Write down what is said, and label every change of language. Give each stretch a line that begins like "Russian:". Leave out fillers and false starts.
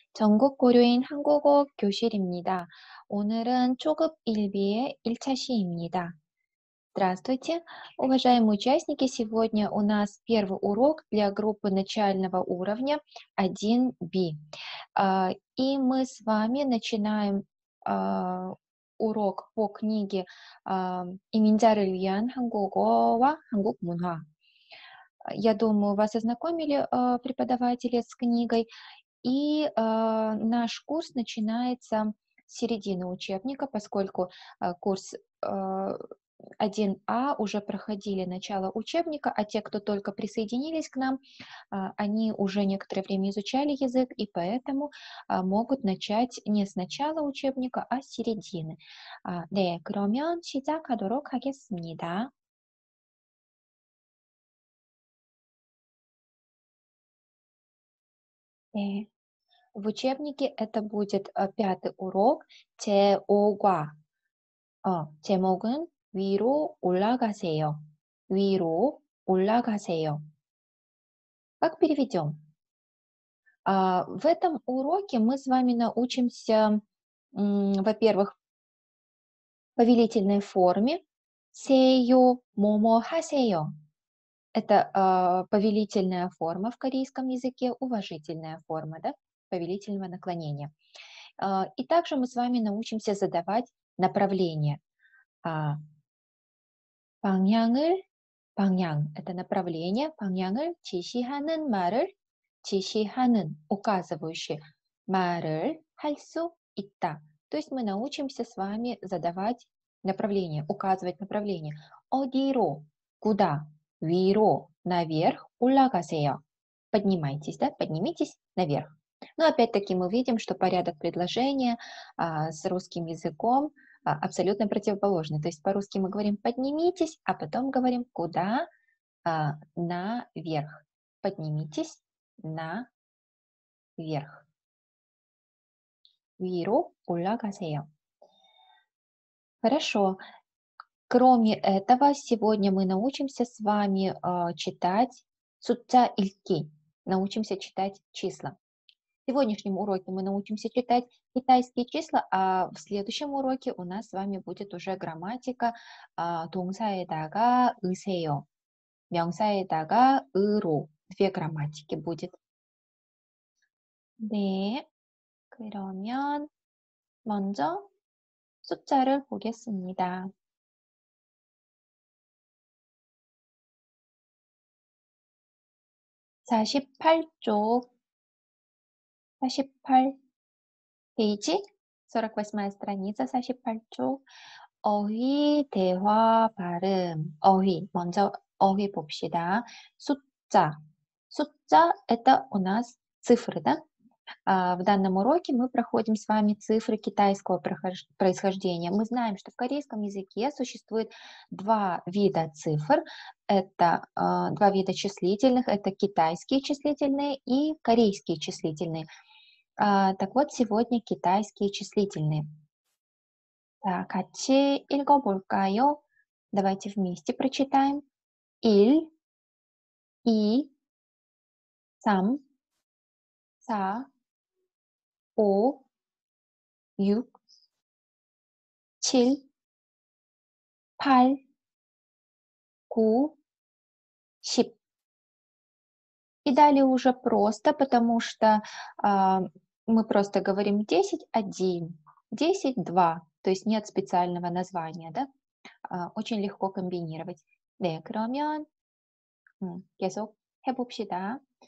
Korean: 전국고려인 한국어 교실입니다. 오늘은 초급 1B의 1차 시입니다.
Russian: Здравствуйте, уважаемые участники. Сегодня у нас первый урок для группы начального уровня 1B. И мы с вами начинаем урок по книге Иминдзяры Льян «Хангугова. Хангук Мунха». Я думаю, вас ознакомили преподаватели с книгой. И наш курс начинается с середины учебника, поскольку курс 1А уже проходили начало учебника, а те, кто только присоединились к нам, они уже некоторое время изучали язык, и поэтому могут начать не с начала учебника, а с середины.
Korean: 네, 그러면 시작하도록 하겠습니다. 네.
Russian: В учебнике это будет пятый урок.
Korean: 제5과 제목은 위로 올라가세요. 위로 올라가세요.
Russian: Как переведем? В этом уроке мы с вами научимся, во-первых, повелительной форме.
Korean: 세요, 뭐뭐 하세요.
Russian: Это повелительная форма в корейском языке, уважительная форма, да? Повелительного наклонения. И также мы с вами научимся задавать направление.
Korean: 방향을, 방향,
Russian: это направление.
Korean: 방향을 지시하는 말을, 지시하는, указывающий, 말을 할 수 있다.
Russian: То есть мы научимся с вами задавать направление, указывать направление.
Korean: 어디로, куда, 위로, наверх, 올라가세요.
Russian: Поднимайтесь, да, поднимитесь наверх. Но опять-таки мы видим, что порядок предложения с русским языком абсолютно противоположный. То есть по-русски мы говорим «поднимитесь», а потом говорим «куда?» «Наверх». «Поднимитесь наверх». «Виру улагасею». Хорошо. Кроме этого, сегодня мы научимся с вами читать «суца ильки». Научимся читать числа. В сегодняшнем уроке мы научимся читать китайские числа, а в следующем уроке у нас с вами будет уже грамматика
Korean: 동사에다가 으세요, 명사에다가 으로.
Russian: Две грамматики будет.
Korean: 네, 그러면 먼저 숫자를 보겠습니다. 48쪽. 48페이지,
Russian: 48 страница,
Korean: 48쪽. 어휘 대화 발음. 어휘, 먼저 어휘 봅시다. 숫자.
Russian: 숫자 это у нас цифры, да? В данном уроке мы проходим с вами цифры китайского происхождения. Мы знаем, что в корейском языке существует два вида цифр. Это два вида числительных. Это китайские числительные и корейские числительные. Так вот, сегодня китайские числительные.
Korean: Так, 같이 읽어볼까요?
Russian: Давайте вместе прочитаем.
Korean: 1, 2, 3, 4, 5, 6, 7, 8, 9, 10.
Russian: И далее уже просто, потому что... Мы просто говорим 10-1, 10-2, то есть нет специального названия, да? Очень легко комбинировать.
Korean: 네, 그러면 계속 해봅시다.